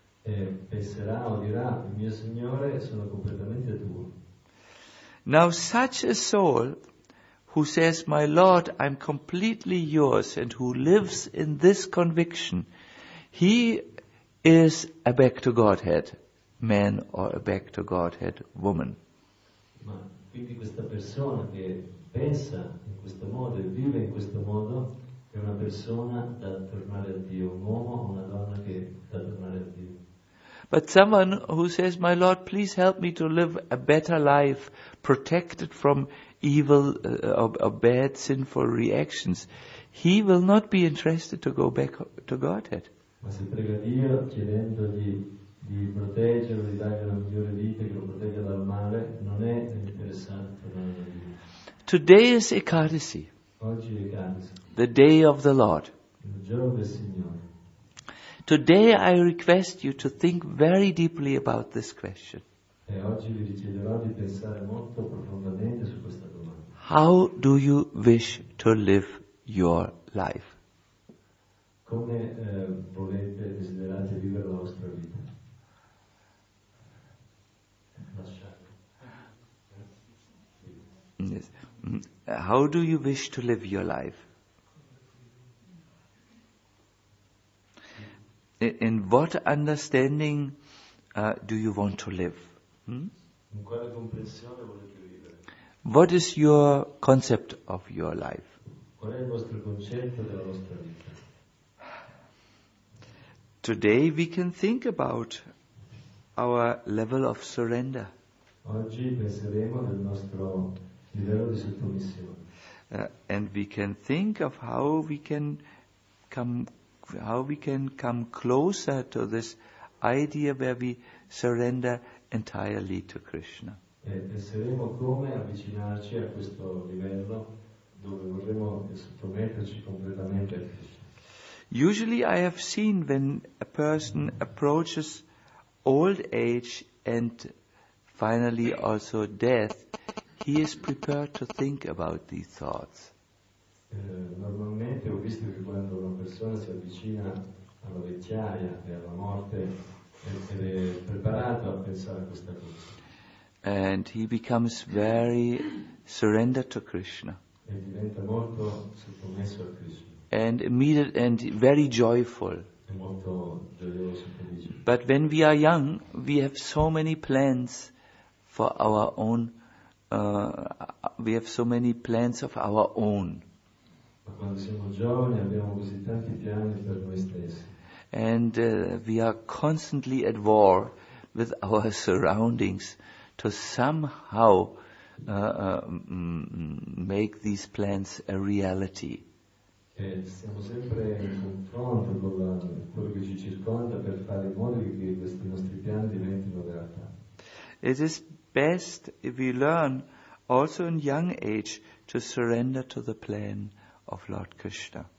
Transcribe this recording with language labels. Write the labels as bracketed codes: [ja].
[en] Now such a soul who says, my Lord, I am completely yours, and who lives in this conviction, he is a back to Godhead man or a back to Godhead woman. [it] Ma quindi questa persona che pensa in questo modo e vive in questo modo è una persona da tornare a Dio, un uomo o una donna che da tornare a Dio. [en] But someone who says, "My Lord, please help me to live a better life, protected from evil or bad sinful reactions," he will not be interested to go back to Godhead. [it] Ma si prega Dio chiedendo di proteggerlo, di dargli una migliore vita, che lo protegga dal male, non è interessante. [en] Today is Ekadesi. [it] Oggi è Ekadesi. [en] The day of the Lord. [it] Il giorno del Signore. [en] Today I request you to think very deeply about this question. [it] E oggi vi richiederò di pensare molto profondamente su questa domanda. [en] How do you wish to live your life? [it] Come volete, desiderate vivere la vostra vita? [en] Yes. How do you wish to live your life? In what understanding do you want to live? [it] In quale comprensione volete vivere? [en] What is your concept of your life? [it] Qual è il vostro concetto della vostra vita? [en] Today we can think about our level of surrender. [it] Oggi penseremo del nostro livello di sottomissione. [en] And we can think of how we can come closer to this idea where we surrender entirely to Krishna. [it] E penseremo come avvicinarci a questo livello dove vorremmo sottometterci completamente a Krishna. [en] Usually I have seen when a person approaches old age and finally also death, he is prepared to think about these thoughts. [it] Normalmente ho visto che quando una persona si avvicina alla vecchiaia e alla morte, essere preparato a pensare a questa cosa. [en] And he becomes very surrendered to Krishna. [it] E diventa molto sottomesso a Krishna. [en] And immediate and very joyful. [it] È molto gioioso. [en] But when we are young, we have so many plans for our own. We have so many plans of our own. [it] Quando siamo giovani abbiamo così tanti piani per noi stessi. [en] And we are constantly at war with our surroundings to somehow make these plans a reality. [it] E siamo sempre in confronto con quello che ci circonda per fare in modo che questi nostri piani diventino realtà. [en] It is best if we learn also in young age to surrender to the plan of Lord Krishna.